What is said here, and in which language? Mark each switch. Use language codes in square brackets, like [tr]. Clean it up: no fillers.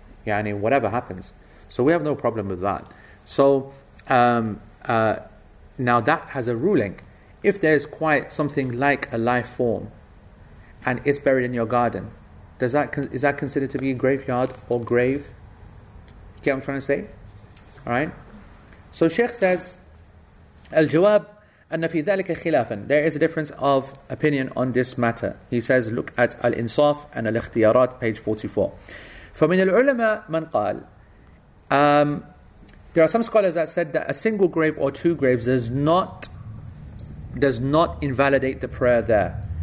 [en] Yeah, I mean, whatever happens. So we have no problem with that. So now that has a ruling. If there's quite something like a life form and it's buried in your garden, does that is that considered to be a graveyard or grave? You get what I'm trying to say? All right? So Sheikh says, Al-Jawab, [ar] أن في ذلك خلافا. [en] There is a difference of opinion on this matter. He says, look at Al-Insaf and Al-Ikhtiyarat, page 44. [ar] فمن العلماء من قال, [en] there are some scholars that said that a single grave or two graves does not invalidate the prayer there.